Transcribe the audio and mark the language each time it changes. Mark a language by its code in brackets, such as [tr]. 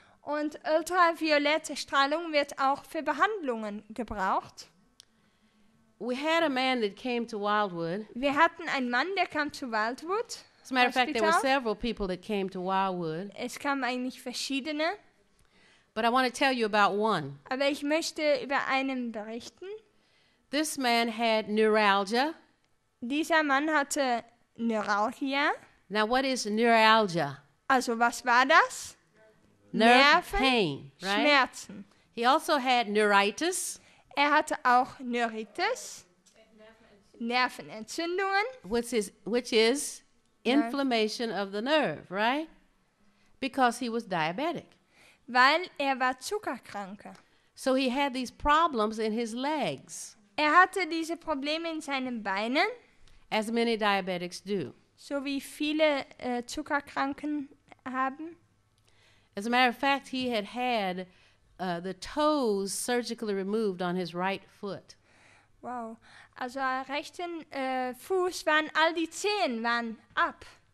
[de] Und ultraviolette Strahlung wird auch für Behandlungen gebraucht. [en] We had a man that came to Wildwood. [de] Wir hatten einen Mann, der kam zu Wildwood. [en] As a matter of fact, there were several people that came to Wildwood. [de] Es kamen eigentlich verschiedene. [en] But I want to tell you about one. [de] Aber ich möchte über einen berichten. [en] This man had neuralgia. [de] Dieser Mann hatte Neuralgia. [en] Now what is neuralgia? [de] Also was war das? [en] Nerve pain, right? [de] Schmerzen. [en] He also had neuritis. [de] Er hatte auch Neuritis. Nervenentzündungen. [en] Which is inflammation of the nerve, right? Because he was diabetic. [de] Weil war zuckerkranker. [en] So he had these problems in his legs. [de] Hatte diese Probleme in seinen Beinen. [en] As many diabetics do. [de] So wie viele Zuckerkranken haben. [en] As a matter of fact, he had the toes surgically removed on his right foot. Wow. [de] Also rechten Fuß waren all die Zehen waren ab.